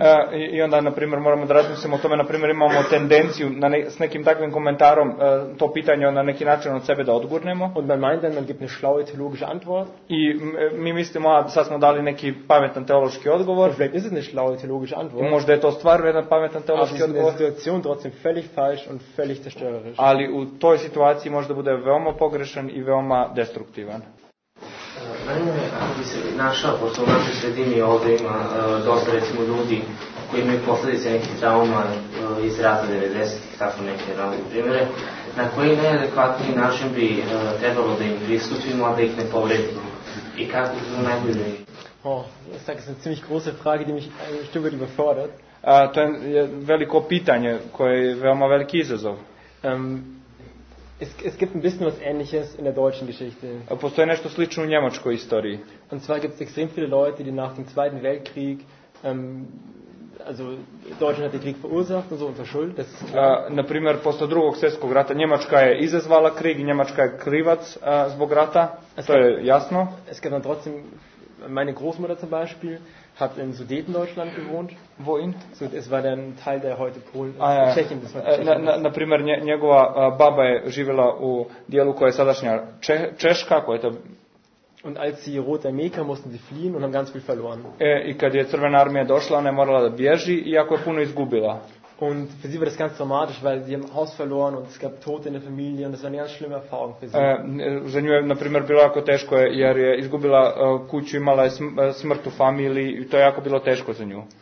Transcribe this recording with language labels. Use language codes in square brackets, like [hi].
[sr] I onda, na primjer, moramo da razmislimo o tome, na primjer, imamo tendenciju na s nekim takvim komentarom to pitanje na neki način od sebe da odgurnemo. [de] Und man meint dann, man gibt eine schlaue theologische Antwort. [sr] I mi mislimo, a sad smo dali neki pametan teološki odgovor. [de] Und vielleicht ist es eine schlaue theologische Antwort. [sr] Možda je to stvarno jedan pametan teološki odgovor. [de] Aber in der Situation trotzdem völlig falsch und völlig zerstörerisch. [sr] Ali u toj situaciji možda bude veoma pogrešan i veoma destruktivan. Naime, ako bi se našao, pošto u našoj sredini ovde ima dosta, recimo, ljudi koji imaju posledice nekih trauma iz rata 90-ih, tako neke različite primere, na koji neadekvatni način bi trebalo da im pristupimo, a da ih ne povredimo? I kako bi najbolje? [de] Oh, das ist eine ziemlich große Frage, die mich ein Stück weit überfordert. [sr] To je veliko pitanje, koje je veoma veliki izazov. [de] Es gibt ein bisschen was Ähnliches in der deutschen Geschichte. [sr] Postoje nešto slično u njemačkoj istoriji. [de] Und zwar gibt es extrem viele Leute, die nach dem Zweiten Weltkrieg, also Deutschland hat den Krieg verursacht und so und verschuldet. Das ist klar. [sr] Naprimjer, posle drugog svjetskog rata, Njemačka je izazvala krieg, Njemačka je krivac zbog rata, to je jasno. [de] Es gibt dann trotzdem, meine Großmutter zum Beispiel, hat in Sudetendeutschland gewohnt. Wo in? So, es war dann Teil der heute Polen, Tschechien. Das war Tschechien. [sr] Naprimjer, njegova baba je živjela u dijelu koja je sadašnja Češka, koja je to... [de] Und als sie Rote Armee kam, mussten sie fliehen und haben ganz viel verloren. [sr] I kad je Crvena armija došla, ona je morala da bježi, iako je puno izgubila. [de] Und für sie war das ganz traumatisch, weil sie haben Haus verloren und es gab Tote in der Familie und das war eine ganz schlimme Erfahrung für sie. [sr] Za nju je, na primjer, bilo jako teško, jer je izgubila kuću, imala je smrt u familiji i to je jako bilo teško za nju.